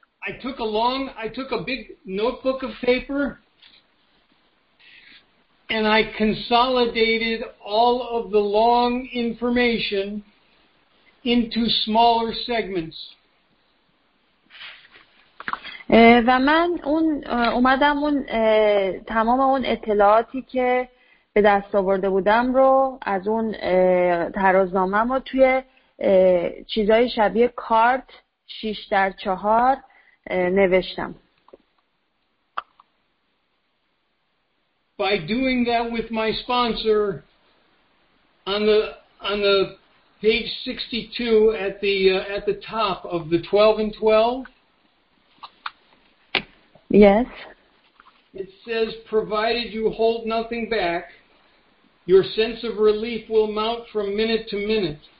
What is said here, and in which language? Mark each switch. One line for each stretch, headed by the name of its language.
English: I took a big notebook of paper and I consolidated all of the long information into smaller segments.
Persian: و من اون اومدم اون تمام اون اطلاعاتی که به دست آورده بودم رو از اون ترازنامه رو توی چیزای شبیه کارت 6x4 نوشتم.
English: By doing that with my sponsor on the page 62 at the top of the 12x12. Yes. It says, provided you hold nothing back, your sense of relief will mount from minute to minute.